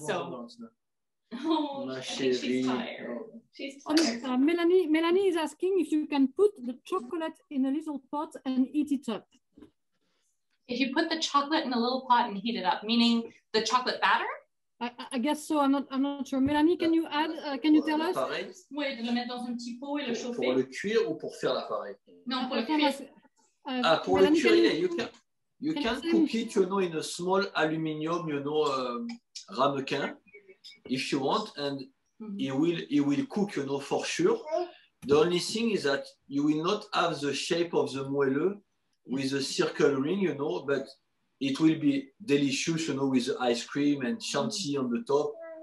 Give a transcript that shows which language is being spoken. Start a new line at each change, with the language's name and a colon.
English: So, she's tired. Melanie is asking if you can put the chocolate in a little pot and heat it up. If you put the chocolate in a little pot and heat it up, meaning the chocolate batter? I guess so. I'm not sure. Melanie, can you add? Can you tell us?
French: Oui, de le mettre dans un petit pot et le chauffer. Pour le cuire ou pour faire la farine? Non, pour le cuire. Pour Melanie, le cuire,
English: you can cook it, you know, in a small aluminium, you know, ramequin, if you want, and it will cook, you know, for sure. The only thing is that you will not have the shape of the moelleux with a circle ring, you know, but it will be delicious, you know, with ice cream and chantilly on the top.